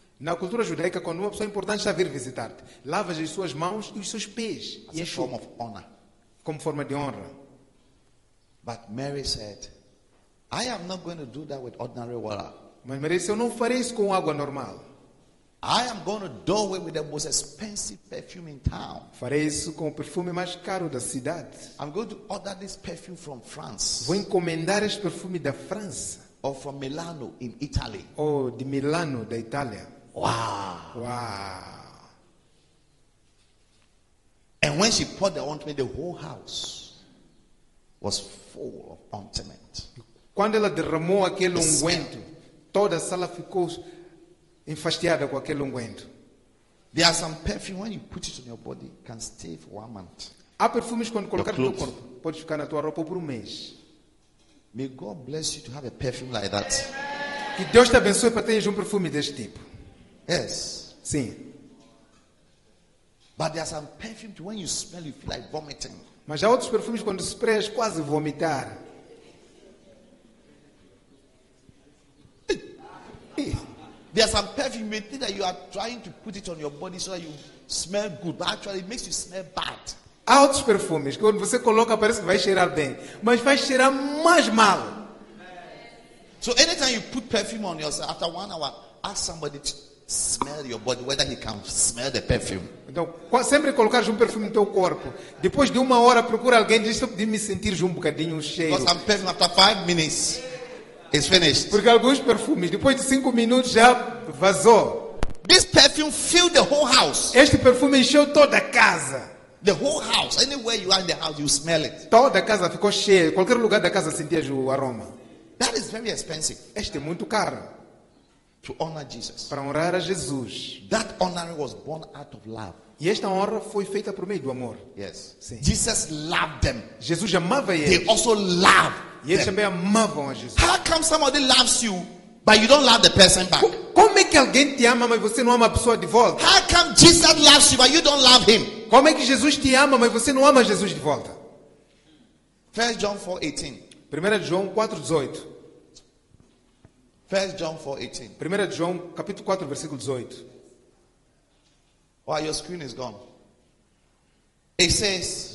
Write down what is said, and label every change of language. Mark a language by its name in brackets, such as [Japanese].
[Portuguese] Na cultura judaica, quando uma pessoa importante está a vir visitar-te, lavas as suas mãos e os seus pés. [English] As a form of honor. [Portuguese] Como forma de honra. [English] But Mary said, I am not going to do that with ordinary water. [Portuguese] Mas Maria disse, eu não farei isso com água normal. [English] I am going to do it with the most expensive perfume in town. [Portuguese] Farei isso com o perfume mais caro da cidade. [English] I'm going to order this perfume from France. [Portuguese] Vou encomendar este perfume da França. [English] Or from Milano in Italy. [Portuguese] Oh, de Milano, da Itália. [English] Wow. [Portuguese] Wow. [English] And when she poured the ointment, the whole house was full of ointment. [Portuguese] Quando ela derramou aquele ungüento, toda a sala ficou enfastiada com aquele ungüento. [English] There are some perfumes when you put it on your body can stay for 1 month. [Portuguese] Há perfumes quando colocar no corpo pode ficar na tua roupa por 1 mês. [English] May God bless you to have a perfume like that. [Portuguese] Que Deus te abençoe para teres perfume deste tipo. [English] Yes. [Portuguese] Sim. [English] But there are some perfumes when you smell you feel like vomiting. [Portuguese] Mas há outros perfumes quando sprays quase vomitar. [English] There's some perfume that you are trying to put it on your body so that you smell good, but actually it makes you smell bad. [Portuguese] Há outros perfumes que quando você coloca parece que vai cheirar bem, mas vai cheirar mais mal. [English] So anytime you put perfume on yourself, after 1 hour, ask somebody to smell your body whether he can smell the perfume. [Portuguese] Então, sempre colocar perfume no teu corpo. Depois de 1 hora, procura alguém de me sentir um bocadinho cheiro. [English] Because some perfume after 5 minutes. It's finished. [Portuguese] Porque alguns perfumes, depois de 5 minutos, já vazou. [English] This perfume filled the whole house. [Portuguese] Este perfume encheu toda a casa. [English] The whole house. Anywhere you are in the house, you smell it. [Portuguese] Toda a casa ficou cheia. Qualquer lugar da casa sentia o aroma. [English] That is very expensive. [Portuguese] Este é muito caro. [English] To honor Jesus. [Portuguese] Para honrar a Jesus. [English] That honor was born out of love. [Portuguese] E esta honra foi feita por meio do amor. [English] Yes. [Portuguese] Sim. [English] Jesus loved them. [Portuguese] Jesus amava eles. [English] They also love. [Portuguese] E eles também amavam a Jesus. [English] How come somebody loves you, but you don't love the person back? [Portuguese] Como é que alguém te ama, mas você não ama a pessoa de volta? [English] How come Jesus loves you, but you don't love him? [Portuguese] Como é que Jesus te ama, mas você não ama Jesus de volta? [English] 1 John 4:18. [Portuguese] 1 João 4:18. [English] 1 John 4:18. [Portuguese] 1 João capítulo 4 versículo 18. [English] Why your screen is gone? It says,